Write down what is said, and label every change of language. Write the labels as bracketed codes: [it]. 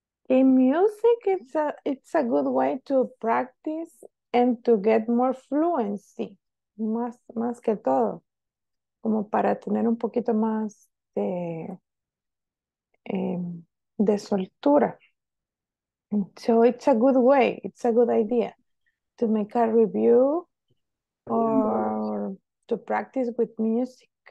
[en] In music, it's a good way to practice and to get more fluency. [es] Más que todo. Como para tener un poquito más de soltura. [en] So it's a good way, it's a good idea to make a review or to practice with music.